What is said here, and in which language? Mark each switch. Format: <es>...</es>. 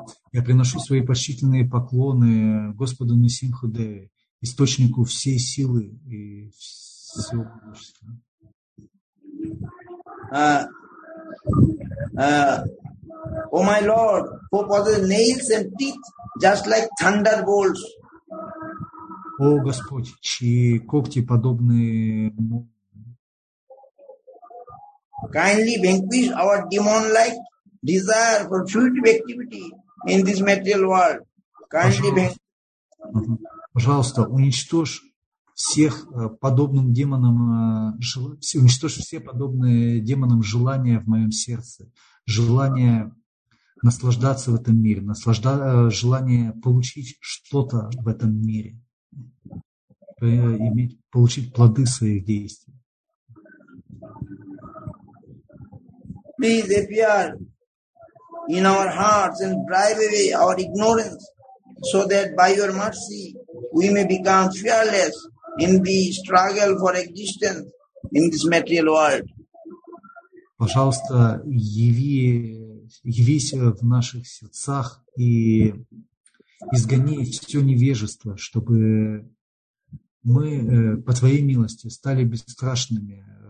<ru>Я приношу свои почтительные поклоны Господу Нрисимхадеве, источнику всей силы и всего могущества.</ru> <en>Oh my Lord, who possesses nails and teeth just like thunderbolts.</en> <ru>О Господь, чьи когти подобны.</ru> <en>Kindly vanquish our demon-like desire for fruitive activity in this material world. Kindly</en> <ru>Пожалуйста, уничтожь всех подобным демонам, уничтожь все подобные демонам желания в моем сердце, желание наслаждаться в этом мире, желание получить что-то в этом мире. иметь, получить плоды своих действий.</ru> <en>Please appear in our hearts and drive away our ignorance, so that by your mercy we may become fearless in the struggle for existence in this material world.</en> <ru>Пожалуйста, явись в наших сердцах и изгони все невежество, чтобы мы по твоей милости стали бесстрашными.</ru>